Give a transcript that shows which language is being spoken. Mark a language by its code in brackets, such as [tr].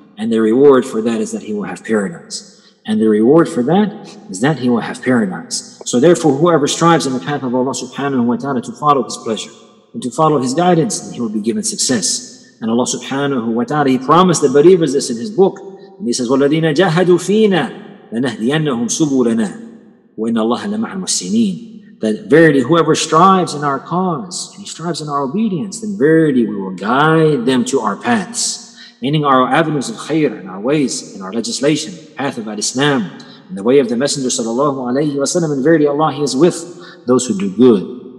[en] And the reward for that is that he will have paradise. And the reward for that is that he will have paradise. So therefore, whoever strives in the path of Allah subhanahu wa ta'ala to follow His pleasure, and to follow His guidance, then he will be given success. And Allah subhanahu wa ta'ala, He promised the believers this in His book. And He says, [ar] وَالَّذِينَ جَاهَدُوا فِينَا لَنَهْدِيَنَّهُمْ سُبُولَنَا وَإِنَّ اللَّهَ لَمَعَ الْمُحْسِنِينَ. [en] That verily, whoever strives in our cause, and he strives in our obedience, then verily we will guide them to our paths. Meaning our avenues of khayr, and our ways, and our legislation, the path of al-Islam, and the way of the Messenger sallallahu alayhi wa sallam. And verily Allah, He is with those who do good.